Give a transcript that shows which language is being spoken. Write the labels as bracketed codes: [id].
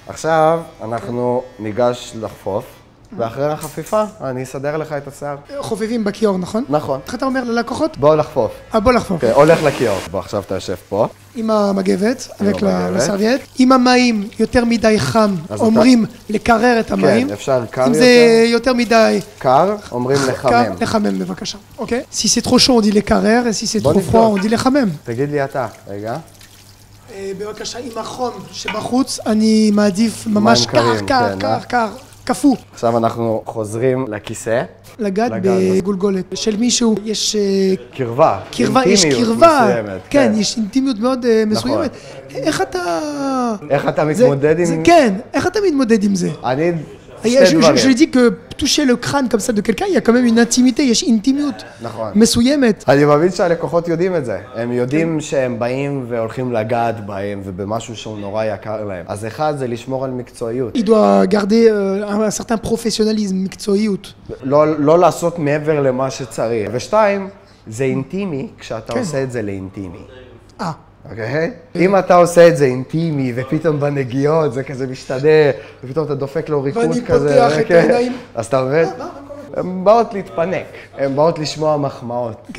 [he] עכשיו אנחנו ניגש לחפוף, ואחרי החפיפה אני אסדר לך את השיער. חופפים בכיור, נכון? נכון. איך אתה אומר ללקוחות? בוא לחפוף. בוא לחפוף. כן, הולך לכיור. בוא, עכשיו אתה יושב פה. עם המגבת, רק לסרוויאט. אם המים יותר מדי חם, אומרים לקרר את המים. כן, אפשר קר יותר. אם זה יותר מדי... קר, אומרים לחמם. לחמם, בבקשה. אוקיי? [fr] Si c'est trop chaud, on dit לקרר, si c'est trop froid, on dit לחמם. [he] תגיד לי אתה, רגע. בבקשה, עם החום שבחוץ, אני מעדיף ממש קר. כפו. עכשיו אנחנו חוזרים לכיסא. לגעת בגולגולת של מישהו, יש... קרבה. קרבה, יש קרבה. מסוימת, כן, יש אינטימיות מאוד מסוימת. נכון. איך אתה... איך אתה מתמודד עם... כן, איך אתה מתמודד עם זה? אני... שתי דברים. [fr] Je dis que toucher le crâne comme ça de quelqu'un, il y a quand même une intimité, [he] יש אינטימיות מסוימת. אני מבין שהלקוחות יודעים את זה. הם יודעים שהם באים והולכים לגעת בהם ובמשהו שהוא נורא יקר להם. אז אחד זה לשמור על מקצועיות. [fr] Il doit garder un certain professionnalisme, מקצועיות. [he] לא לעשות מעבר למה שצריך. ושתיים, זה אינטימי כשאתה עושה את זה לאינטימי. אוקיי? אם אתה עושה את זה אינטימי ופתאום בנגיעות זה כזה משתדר ופתאום אתה דופק לו ריקוד כזה ואני פותח את העיניים אז אתה עובד? הן באות להתפנק, הן באות לשמוע מחמאות.